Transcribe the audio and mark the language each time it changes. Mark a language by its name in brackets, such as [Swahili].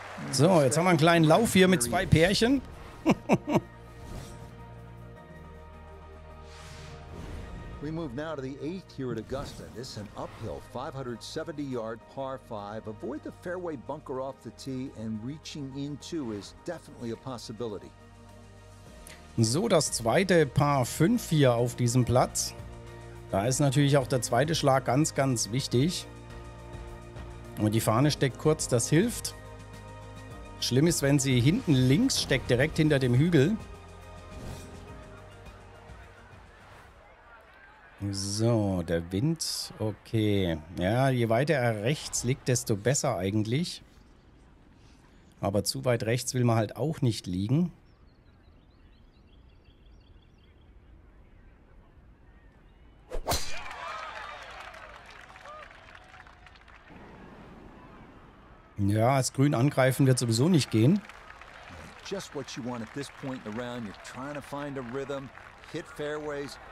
[German] So, jetzt haben wir einen kleinen Lauf hier mit zwei Pärchen. [English] We move now to the eighth here at Augusta. This is an uphill 570-yard par 5. Avoid the fairway bunker off the tee and reaching into is definitely a possibility. [German] So, das zweite Par 5 hier auf diesem Platz. Da ist natürlich auch der zweite Schlag ganz, ganz wichtig. Und die Fahne steckt kurz, das hilft. Schlimm ist, wenn sie hinten links steckt, direkt hinter dem Hügel. So, der Wind, okay. Ja, je weiter er rechts liegt, desto besser eigentlich. Aber zu weit rechts will man halt auch nicht liegen. Ja, als Grün angreifen wird sowieso nicht gehen. [English] Just what you want at this point in the round. You're trying to find a rhythm, hit fairways,